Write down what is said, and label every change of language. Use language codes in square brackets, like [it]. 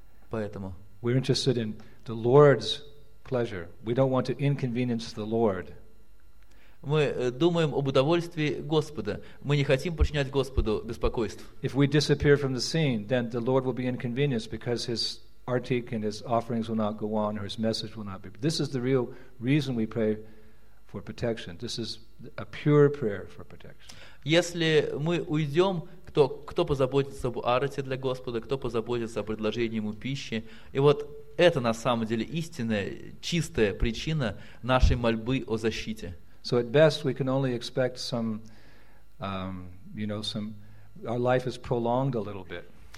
[ru] Поэтому. [en] We're interested in the Lord's pleasure. We don't want to inconvenience the Lord. [ru] Мы думаем об удовольствии Господа. Мы не хотим причинять Господу беспокойств. [en] If we disappear from the scene, then the Lord will be inconvenienced because his artik and his offerings will not go on, or his message will not be. This is the real reason we pray for protection. This is a pure prayer for protection. [ru] Если мы уйдем, кто позаботится об арте для Господа, кто позаботится о предложении ему пищи? И вот это на самом деле истинная, чистая причина нашей мольбы о защите. [en] So at best we can only expect some, our life is prolonged a little bit.